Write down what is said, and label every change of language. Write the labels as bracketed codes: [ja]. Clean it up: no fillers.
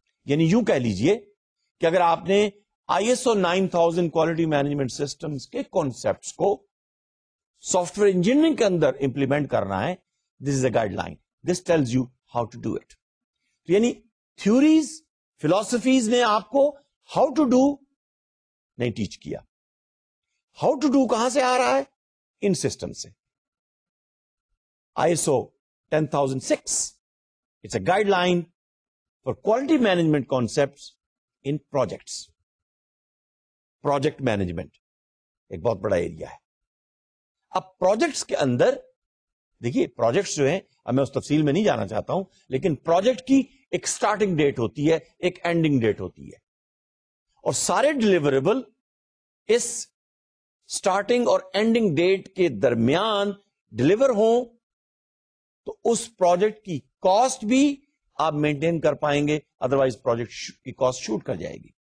[ur] یعنی یوں کہہ لیجئے کہ اگر آپ نے I S O 9000 quality management systems کے کانسیپٹس کو سافٹ ویئر انجینئرنگ کے اندر امپلیمنٹ کرنا ہے, [en] This is a guideline, this tells you how to do it. [ur] یعنی تھیوریز, فلاسفیز نے آپ کو How to do نہیں ٹیچ کیا. How to do کہاں سے آ رہا ہے؟ ان سسٹم سے. [en] ISO 10006, it's a guideline for quality management concepts in projects. [ur] Project management ایک بہت بڑا ایریا ہے. اب projects کے اندر دیکھیے, projects جو ہیں, اب میں اس تفصیل میں نہیں جانا چاہتا ہوں, لیکن project کی ایک starting date ہوتی ہے, ایک ending date ہوتی ہے, اور سارے ڈیلیوریبل اس سٹارٹنگ اور اینڈنگ ڈیٹ کے درمیان ڈیلیور ہوں تو اس پروجیکٹ کی کاسٹ بھی آپ مینٹین کر پائیں گے, ادروائز پروجیکٹ کی کاسٹ شوٹ کر جائے گی.